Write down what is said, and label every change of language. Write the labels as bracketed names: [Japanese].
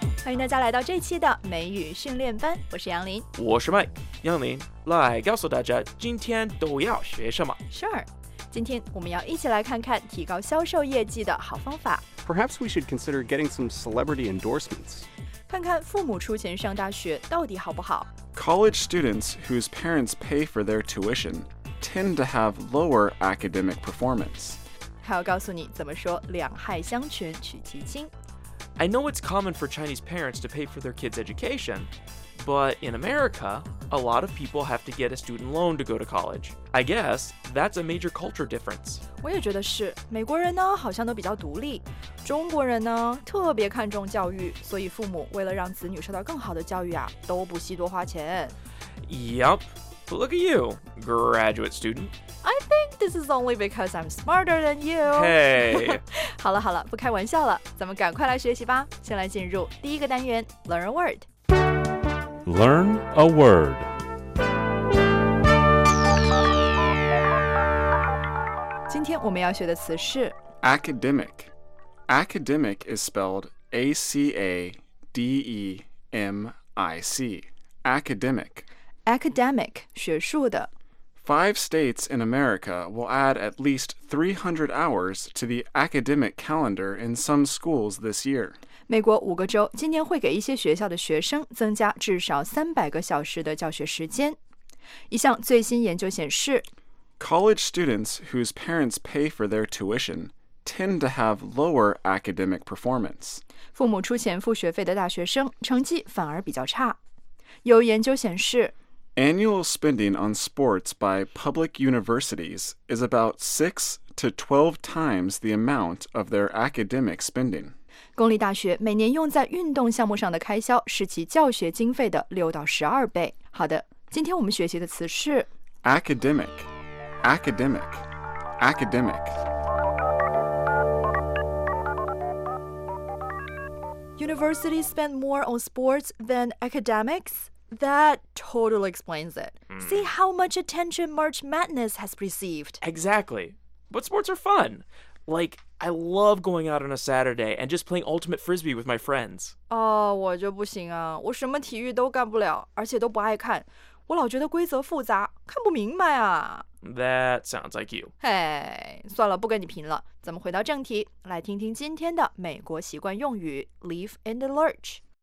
[Chinese] 迎大家来到这期的美语训练班，我是杨林，我是麦。杨林，来告诉大家今天都要学什么。 Sure， 今天我们要一起来看看提高销售业绩的好方法。 [English] Perhaps we should consider getting some celebrity endorsements， [Chinese] 看看父母出钱上大学到底好不好。 [English] College students whose parents pay for their tuition tend to have lower academic performance。 [Chinese] 还要告诉你怎么说两害相权取其轻。 [English] I know it's common for Chinese parents to pay for their kids' education, but in America, a lot of people have to get a student loan to go to college. I guess that's a major culture difference. [Chinese] 我也觉得是，美国人呢好像都比较独立，中国人呢特别看重教育，所以父母为了让子女受到更好的教育啊，都不惜多花钱。 [English] Yep. But look at you, graduate student. I think this is only because I'm smarter than you. Hey. [Chinese] 好了好了，不开玩笑了，咱们赶快来学习吧。先来进入第一个单元 , [English] Learn a word. Learn a word. [Chinese] 今天我们要学的词是 [English] academic. Academic is spelled A-C-A-D-E-M-I-C. Academic. [Chinese] Academic, 学术的。 [English] Five states in America will add at least 300 hours to the academic calendar in some schools this year. [Chinese] 美国五个州今年会给一些学校的学生增加至少300个小时的教学时间。一项最新研究显示， [English] College students whose parents pay for their tuition tend to have lower academic performance. [Chinese] 父母出钱付学费的大学生成绩反而比较差。有研究显示， [English] Annual spending on sports by public universities is about 6 to 12 times the amount of their academic spending. [Chinese] 公立大学每年用在运动项目上的开销是其教学经费的6到12倍。好的，今天我们学习的词是 [English] academic, academic, academic. Universities spend more on sports than academics? That totally explains it. Mm. See how much attention March Madness has received. Exactly. But sports are fun. Like, I love going out on a Saturday and just playing Ultimate Frisbee with my friends. [Chinese] Oh, 我就不行啊。我什么体育都干不了，而且都不爱看。我老觉得规则复杂，看不明白啊。 [English] That sounds like you. [Chinese] Hey, 算了，不跟你贫了。咱们回到正题，来听听今天的美国习惯用语 [English] Leave in the Lurch。